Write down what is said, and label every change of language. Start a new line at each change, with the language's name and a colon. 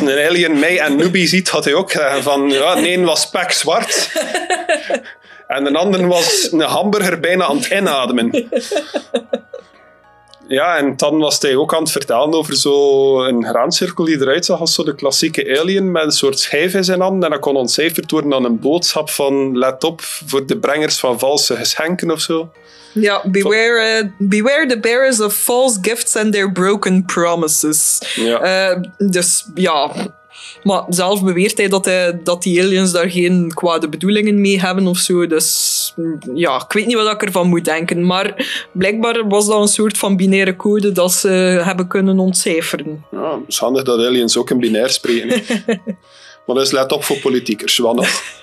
Dutch: een alien mij en Noobie ziet, had hij ook zeggen van ja, de een was pek zwart en de ander was een hamburger bijna aan het inademen. Ja, en dan was hij ook aan het vertellen over zo een graancirkel die eruit zag als zo de klassieke alien met een soort schijf in zijn hand. En dat kon ontcijferd worden aan een boodschap van let op voor de brengers van valse geschenken of zo.
English: Ja, beware the bearers of false gifts and their broken promises.
Dutch: Ja. Dus ja, maar zelf beweert hij dat die aliens daar geen kwade bedoelingen mee hebben of zo. Dus ja, ik weet niet wat ik ervan moet denken. Maar blijkbaar was dat een soort van binaire code dat ze hebben kunnen ontcijferen. Ja, het is handig dat aliens ook in binair spreken. Maar dus let op voor politiekers, wanneer.